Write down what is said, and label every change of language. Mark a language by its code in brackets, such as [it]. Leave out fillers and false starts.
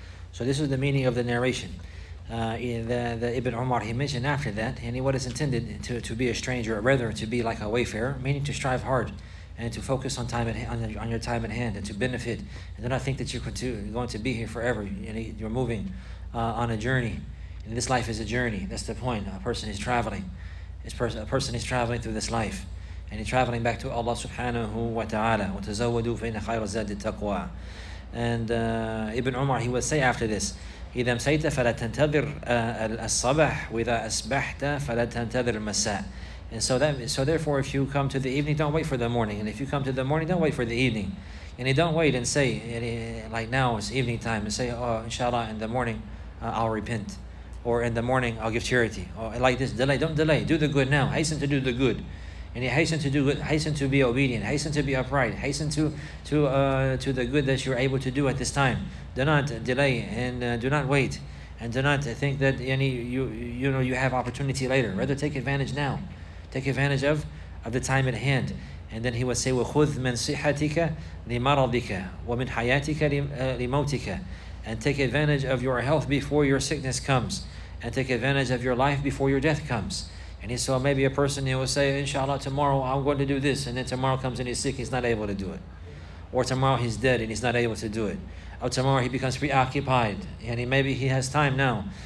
[en] So this is the meaning of the narration. The Ibn Umar, he mentioned after that, and what is intended to be a stranger, or rather to be like a wayfarer, meaning to strive hard and to focus on time on your time at hand, and to benefit, and do not think that you're going to be here forever. You're moving on a journey, and this life is a journey. That's the point. A person is traveling. A person is traveling through this life, and he's traveling back to Allah subhanahu wa ta'ala. [ar] وَتَزَوَّدُوا فَإِنَّ خَيْرَ زَادِ التَّقْوَى. [en] And Ibn Umar, he would say after this, [ar] إِذَا مْسَيْتَ فَلَا تَنْتَذِرْ الصَّبَحِ وَإِذَا أَصْبَحْتَ فَلَا تَنْتَذِرْ الْمَسَاءِ. [en] And so therefore, if you come to the evening, don't wait for the morning. And if you come to the morning, don't wait for the evening. And you don't wait and say, like now it's evening time, and say, "Oh, inshallah, in the morning, I'll repent. Or in the morning, I'll give charity." Or like this, delay, don't delay. Do the good now. Hasten to do the good. And you hasten to do good. Hasten to be obedient. Hasten to be upright. Hasten to the good that you're able to do at this time. Do not delay, and do not wait. And do not think that you have opportunity later. Rather, take advantage now. Take advantage of the time at hand. And then he would say, [ar] وَخُذْ مِنْ صِحَتِكَ لِمَرَضِكَ وَمِنْ حَيَاتِكَ لِمَوْتِكَ. [en] And take advantage of your health before your sickness comes, and take advantage of your life before your death comes. And so maybe a person, he will say, inshallah, tomorrow I'm going to do this. And then tomorrow comes and he's sick, he's not able to do it. Or tomorrow he's dead and he's not able to do it. Or tomorrow he becomes preoccupied. And maybe he has time now.